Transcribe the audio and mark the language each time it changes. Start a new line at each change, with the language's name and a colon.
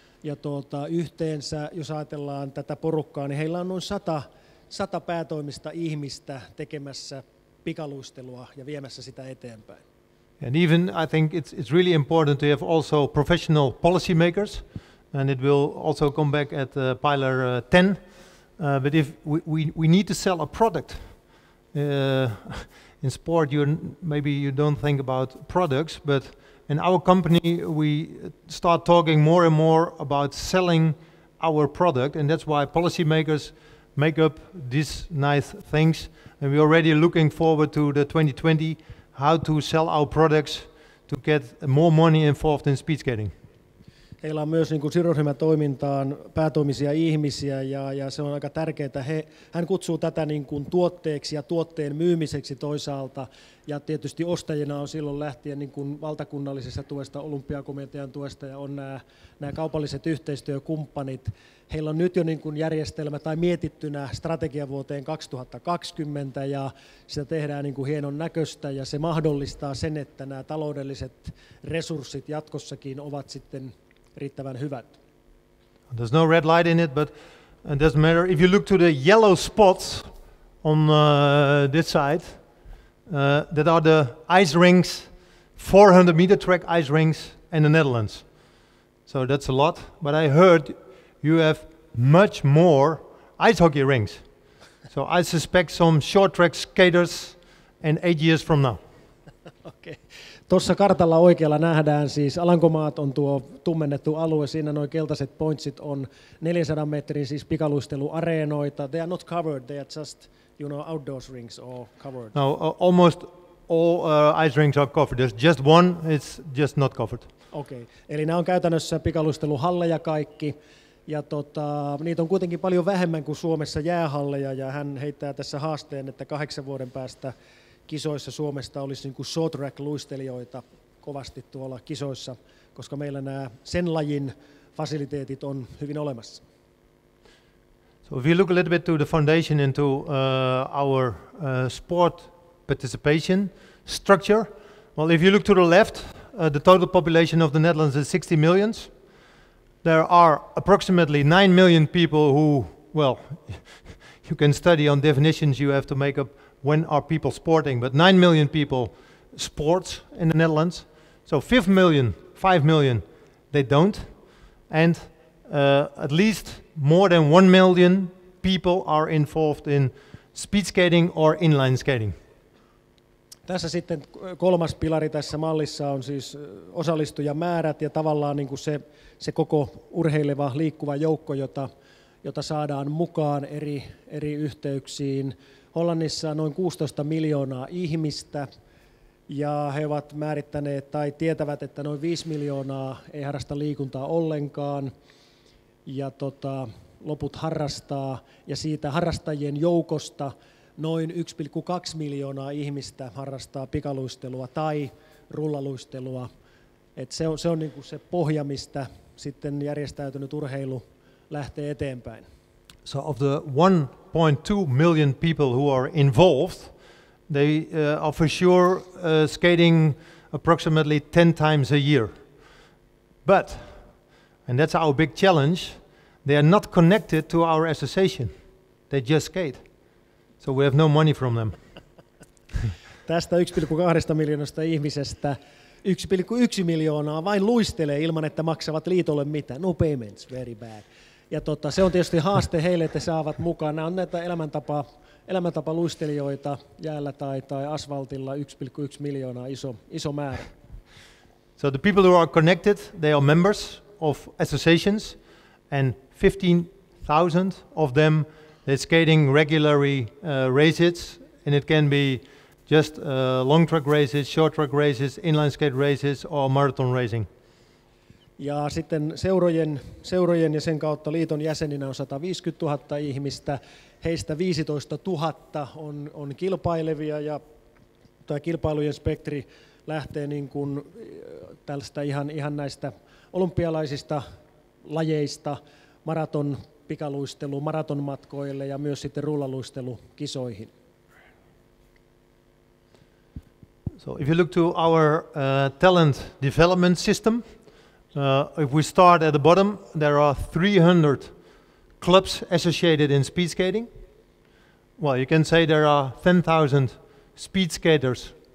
Finnish: Ja yhteensä, jos ajatellaan tätä porukkaa, niin heillä on noin 100 päätoimista ihmistä tekemässä pikaluistelua ja viemässä sitä eteenpäin.
English: And even I think it's really important to have also professional policy makers, and it will also come back at pillar 10. But if we need to sell a product in sport, you don't think about products, but in our company we start talking more and more about selling our product, and that's why policy makers make up these nice things, and we're already looking forward to the 2020. How to sell our products to get more money involved in speed skating.
Finnish: Heillä on myös niin kuin sidosryhmätoimintaan päätoimisia ihmisiä ja se on aika tärkeää. Hän kutsuu tätä niin kuin tuotteeksi ja tuotteen myymiseksi toisaalta. Ja tietysti ostajina on silloin lähtien niin kuin valtakunnallisesta tuesta, olympiakomitean tuesta ja on nämä kaupalliset yhteistyökumppanit. Heillä on nyt jo niin kuin järjestelmä tai mietittynä strategia vuoteen 2020 ja sitä tehdään niin kuin hienon näköistä ja se mahdollistaa sen, että nämä taloudelliset resurssit jatkossakin ovat sitten riittävän hyvät.
English: There's no red light in it, but it doesn't matter. If you look to the yellow spots on this side, that are the ice rinks, 400 meter track ice rinks in the Netherlands. So that's a lot, but I heard you have much more ice hockey rinks. So I suspect some short track skaters in 8 years from now. Okay.
Finnish: Tuossa kartalla oikealla nähdään siis Alankomaat on tuo tummennettu alue, siinä noin keltaiset pointsit on 400 metrin siis pikaluisteluareenoita.
English: They are not covered, they are just, you know, outdoors rings or covered. No, almost all ice rinks are covered. There's just one, it's just not covered. Okay.
Finnish: Eli nämä on käytännössä pikaluisteluhalleja kaikki. Ja niitä on kuitenkin paljon vähemmän kuin Suomessa jäähalleja ja hän heittää tässä haasteen, että 8 vuoden päästä kisoissa Suomesta olisi niin kuin short track luistelijoita kovasti tuolla kisoissa, koska meillä nämä sen lajin fasiliteetit on hyvin olemassa.
English: So if you look a little bit to the foundation into our sport participation structure, well if you look to the left, the total population of the Netherlands is 60 million. There are approximately 9 million people who, well, you can study on definitions you have to make up when are people sporting, but 9 million people sports in the Netherlands. So 5 million, they don't. And at least more than 1 million people are involved in speed skating or inline skating.
Finnish: Tässä sitten kolmas pilari tässä mallissa on siis osallistujamäärät ja tavallaan niin kuin se koko urheileva liikkuva joukko, jota saadaan mukaan eri yhteyksiin. Hollannissa noin 16 miljoonaa ihmistä ja he ovat määrittäneet tai tietävät, että noin 5 miljoonaa ei harrasta liikuntaa ollenkaan ja loput harrastaa ja siitä harrastajien joukosta noin 1,2 miljoonaa ihmistä harrastaa pikaluistelua tai rullaluistelua. Et se on niinku se pohja, mistä sitten järjestäytynyt urheilu lähtee eteenpäin.
English: So of the 1.2 million people who are involved, they are for sure skating approximately 10 times a year. But, and that's our big challenge, they are not connected to our association. They just skate. So we have no money from them.
Finnish: Tästä 1,2 miljoonasta ihmisestä 1,1 miljoonaa vain luistelee ilman, että maksavat liitolle mitään.
English: No payments, very bad.
Finnish: Ja se on tietysti haaste heille, että saavat mukaan. Nämä on näitä elämäntapa luistelijoita jäällä tai asfaltilla 1,1 miljoonaa iso määrä.
English: So the people who are connected, they are members of associations, and 15,000 of them, they're skating regularly races, and it can be just long track races, short track races, inline skate races, or marathon racing.
Finnish: Ja sitten seurojen ja sen kautta liiton jäseninä on 150 000 ihmistä. Heistä 15 000 on kilpailevia, ja tämä kilpailujen spektri lähtee niin kuin tällaista ihan näistä olympialaisista lajeista, maraton pikaluistelu, maratonmatkoille ja myös sitten rullaluistelukisoihin.
English: So if you look to our talent development system, if we start at the bottom, there are 300 clubs associated in speed skating. Well, you can say there are 10,000 speed skaters.